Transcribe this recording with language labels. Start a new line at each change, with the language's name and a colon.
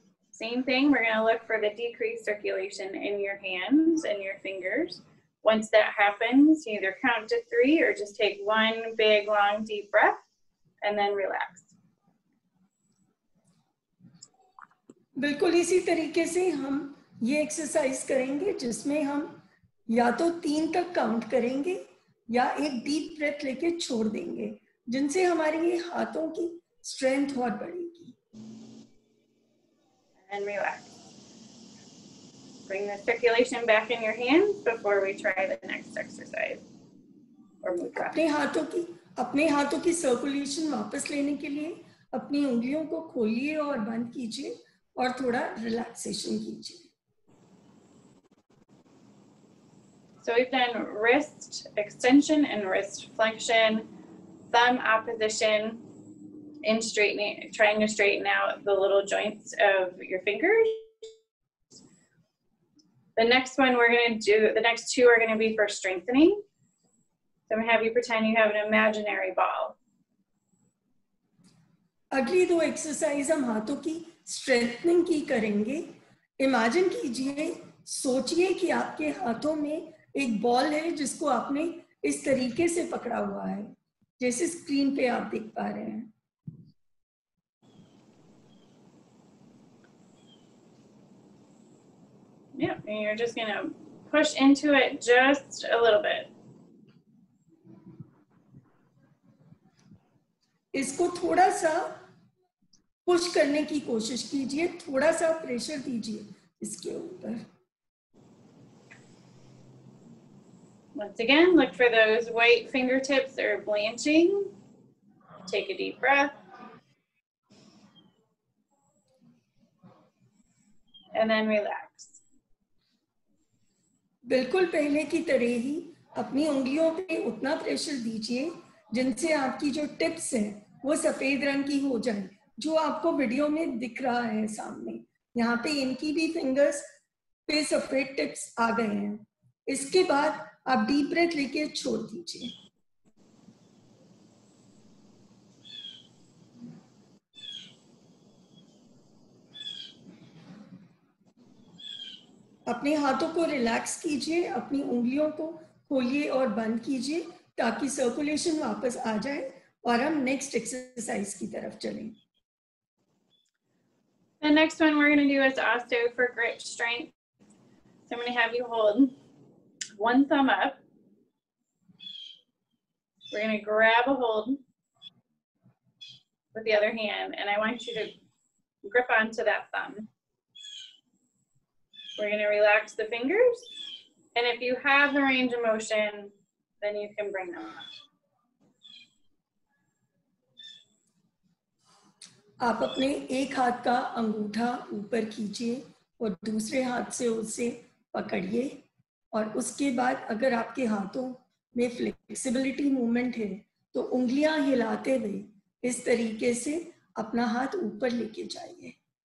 English: Same thing, we're going to look for the decreased circulation in your hands and your fingers. Once that happens, you either count to three or just take one big, long, deep breath and then relax.
Hindi: बिल्कुल इसी तरीके से हम ये exercise करेंगे, जिसमें हम या तो तीन तक काउंट करेंगे या एक डीप ब्रेथ लेके छोड़ देंगे, जिनसे हमारी ये हाथों की स्ट्रेंथ और बढ़ेगी.
English: And relax. Bring the circulation back in your hands before we try the next exercise or mudra.
Hindi: अपने हाथों की circulation वापस लेने के लिए अपनी उंगलियों को खोलिए और बंद कीजिए और थोड़ा relaxation कीजिए.
English: So we've done wrist extension and wrist flexion, thumb opposition, in straightening, trying to straighten out the little joints of your fingers. The next one we're going to do, the next two are going to be for strengthening. So I'm going to have you pretend you have an imaginary ball.
Hindi: अगली दो exercise हम हाथों की strengthening की करेंगे. Imagine कीजिए, सोचिए कि आपके हाथों में एक बॉल है जिसको आपने इस तरीके से पकड़ा हुआ है, जैसे स्क्रीन पे आप देख पा रहे हैं.
English: Yeah, and you're just going to push into it just a little bit.
Hindi: इसको थोड़ा सा push करने की कोशिश कीजिए, थोड़ा सा pressure दीजिए इसके ऊपर.
English: Once again, look for those white fingertips that are blanching. Take a deep breath. And then relax.
Hindi: बिल्कुल पहले की तरह ही अपनी उंगलियों पे उतना प्रेशर दीजिए जिनसे आपकी जो टिप्स हैं वो सफेद रंग की हो जाए, जो आपको वीडियो में दिख रहा है सामने. यहाँ पे इनकी भी फिंगर्स पे सफेद टिप्स आ गए हैं. इसके बाद आप डीप ब्रेथ लेके छोड़ दीजिए. अपने हाथों को रिलैक्स कीजिए, अपनी उंगलियों को खोलिए और बंद कीजिए ताकि सर्कुलेशन वापस आ जाए और हम नेक्स्ट एक्सरसाइज की तरफ चलें.
English: The next one we're going to do is also for grip strength. So I'm going to have you hold one thumb up. We're going to grab a hold with the other hand and I want you to grip onto that thumb. We're going to relax the fingers, and if you have the range of motion, then you can bring them up.
Hindi: आप अपने एक हाथ का अंगूठा ऊपर कीजिए और दूसरे हाथ से उसे पकड़िए, और उसके बाद अगर आपके हाथों में फ्लेक्सिबिलिटी मूवमेंट है तो उंगलियां हिलाते हुए इस तरीके से अपना हाथ ऊपर लेके जाइए.